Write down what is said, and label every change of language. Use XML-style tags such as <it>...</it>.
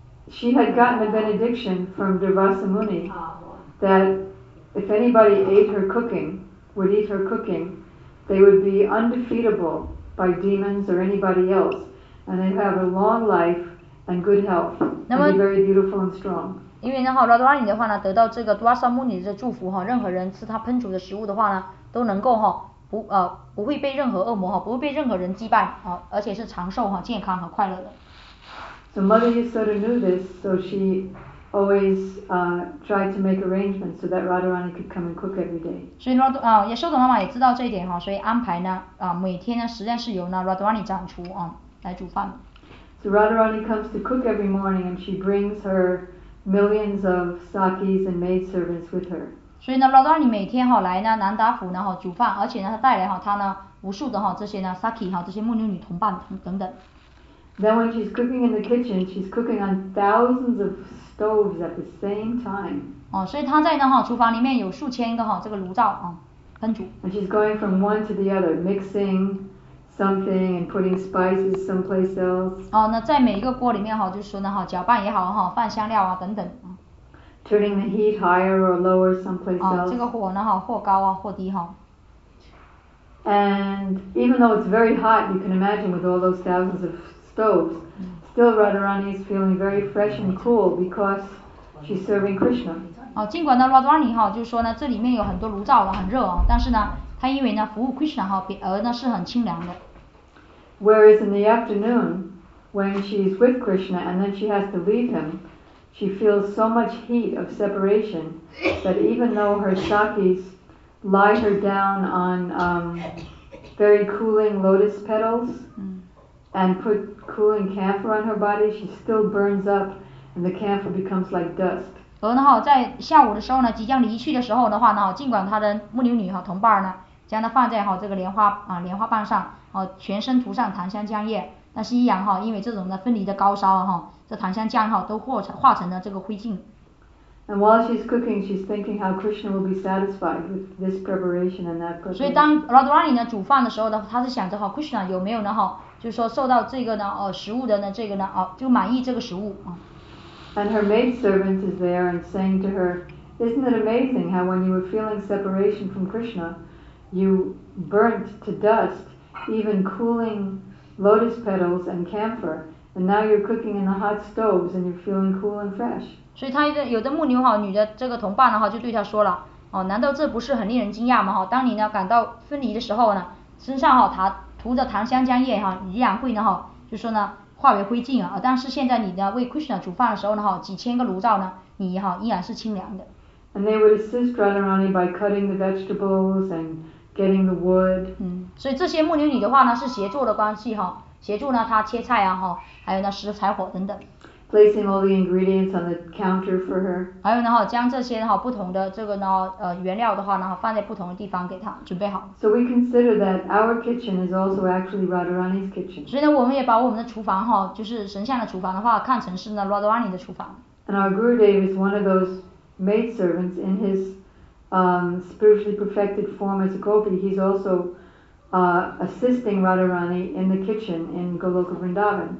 <en>She had gotten a benediction from Durvasa Muni that if anybody ate her cooking, would eat her cooking. They would be undefeatable by demons or anybody else, and they'd have a long life and good health, and be very beautiful and strong.</en> <zh>因为呢哈，拉多拉尼的话呢，得到这个多阿萨穆尼的祝福哈，任何人吃他烹煮的食物的话呢，都能够不会被任何恶魔不会被任何人击败而且是长寿健康和快乐的。</zh> <en>So Mother Yasoda knew this, so she always tried to make arrangements so that Radharani could come and cook every day.</en> <zh>所以也是我的妈妈也知道这一点所以安排呢每天呢实际上是由呢 Radharani 掌厨来煮饭。</zh> <en>So Radharani comes to cook every morning and she brings her millions of sakis and maid servants with her.</en> <zh>所以呢 Radharani 每天来呢南达府呢煮饭而且呢她带来她呢无数的这些呢 saki 这些牧牛女同伴等等。</zh> <en>Then when she's cooking in the kitchen, she's cooking on thousands of stoves at the same time.</en> <zh>所以她在呢厨房里面有数千个这个炉灶烹煮。</zh> <en>And she's going from one to the other, mixing something and putting spices someplace else.</en> <zh>那在每一个锅里面就是说呢搅拌也好放香料等等。</zh> <en>Turning the heat higher or lower someplace else.</en> <zh>这个火呢或高或低</zh> <en>And even though it's very hot, you can imagine with all those thousands of stoves, still Radharani is feeling very fresh and cool because she's serving Krishna.</en> <zh>尽管呢 Radharani 就说呢这里面有很多炉灶很热但是呢她因为呢服务 Krishna 而呢是很清凉的。</zh> <en>Whereas in the afternoon, when she's with Krishna and then she has to leave him, she feels so much heat of separation that even though her sakis lie her down on very cooling lotus petals, and put cooling camphor on her body, she still burns up, and the camphor becomes like dust.</en> <zh>在下午的时候呢，即将离去的时候的话呢，尽管她的牧牛女同伴呢，将她放在这个莲花瓣上，全身涂上檀香浆液，但是依然因为这种的分离的高烧这檀香浆都化成了这个灰烬。</zh> <en>And while she's cooking, she's thinking how Krishna will be satisfied with this preparation and that preparation.</en> <zh>所以当 Radharani 呢煮饭的时候呢，她是想着Krishna 有没有呢就是说受到这个呢食物的呢这个呢就满意这个食物</zh> <en>And her maid servant is there and saying to her, "Isn't it amazing how when you were feeling separation from Krishna, you burnt to dust, even cooling lotus petals and camphor, And now you're cooking in the hot stoves and you're feeling cool and fresh.</en> <zh>所以他有的牧牛哈女的这个同伴的话就对他说了，哦，难道这不是很令人惊讶吗？哈，当你呢感到分离的时候呢，身上哈他涂着檀香浆液哈，依然会呢哈，就说呢化为灰烬啊。但是现在你呢为 Krishna 煮饭的时候呢哈，几千个炉灶呢，你哈依然是清凉的。</zh> <en>And they would assist Radharani by cutting the vegetables and getting the wood.</en> <zh>嗯，所以这些牧牛女的话呢是协作的关系哈，协助呢他切菜啊哈，还有呢拾柴火等等。</zh> <en>Placing all the ingredients on the counter for her.</en> <zh>还有呢哈，将这些哈不同的这个呢原料的话呢，放在不同的地方给她准备好。</zh> <en>So we consider that our kitchen is also actually Radharani's kitchen.</en> <zh>所以呢，我们也把我们的厨房哈，就是神像的厨房的话，看成是呢 Radharani 的厨房。</zh> <en>And our Gurudev is one of those maid servants in his spiritually perfected form as a gopi. He's also assisting Radharani in the kitchen in Goloka Vrindavan.</en>